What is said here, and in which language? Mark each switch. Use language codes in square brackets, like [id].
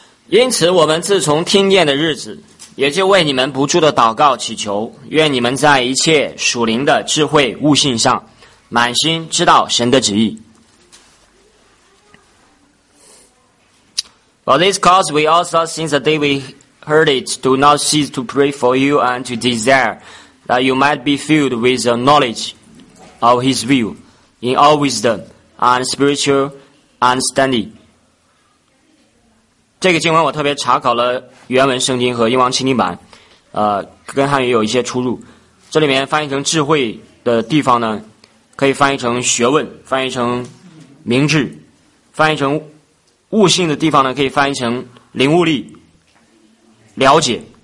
[zh] 因此我们自从听见的日子，也就为你们不住的祷告祈求，愿你们在一切属灵的智慧悟性上满心知道神的旨意。 [en] For this cause we also, since the day we heard it, do not cease to pray for you and to desire that you might be filled with the knowledge of his will in all wisdom and spiritual understanding. [zh] 这个经文我特别查考了原文圣经和英王钦定版，跟汉语有一些出入。这里面翻译成智慧的地方呢，可以翻译成学问，翻译成明智，翻译成悟性的地方呢，可以翻译成领悟力、了解。